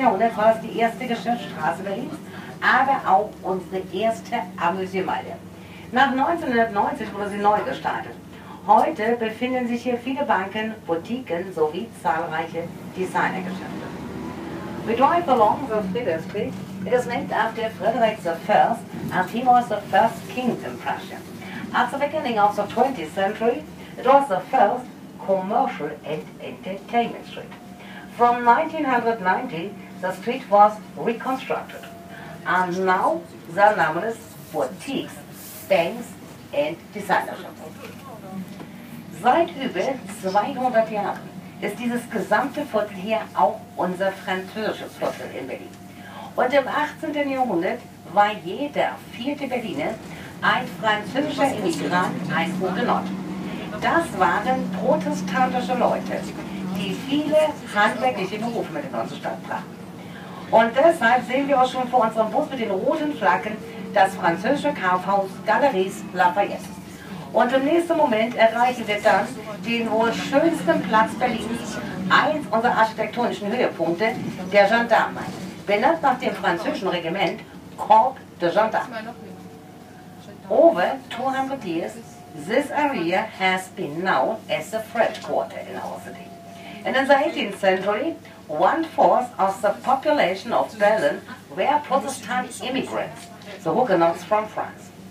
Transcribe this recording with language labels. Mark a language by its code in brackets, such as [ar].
[de] Jahrhunderts war es die erste Geschäftsstraße Berlins, aber auch unsere erste Amüsiermeile. Nach 1990 wurde sie neu gestartet. Heute befinden sich hier viele Banken, Boutiquen sowie zahlreiche Designergeschäfte. [en] We drive along the Friedrich Street. It is named after Frederick I and he was the first king in Prussia. At the beginning of the 20th century, it was the first commercial and entertainment street. From 1990, the street was reconstructed. And now, there are numerous boutiques, banks and designer shops. [de] Seit über 200 Jahren ist dieses gesamte Viertel hier auch unser französisches Viertel in Berlin. Und im 18. Jahrhundert war jeder vierte Berliner ein französischer Immigrant, ein Hugenot. Das waren protestantische Leute, die viele handwerkliche Berufe mit in unsere Stadt brachten. Und deshalb sehen wir auch schon vor unserem Bus mit den roten Flaggen das französische Kaufhaus Galeries Lafayette. Und im nächsten Moment erreichen wir dann den wohl schönsten Platz Berlins, eins unserer architektonischen Höhepunkte, der Gendarmerie. Benannt nach dem französischen Regiment Corps de Gendarmes. [en] Over 200 years, this area has been known as the French Quarter in our city. And in the 18th century, one-fourth of the population of Berlin were Protestant immigrants, the Huguenots from France.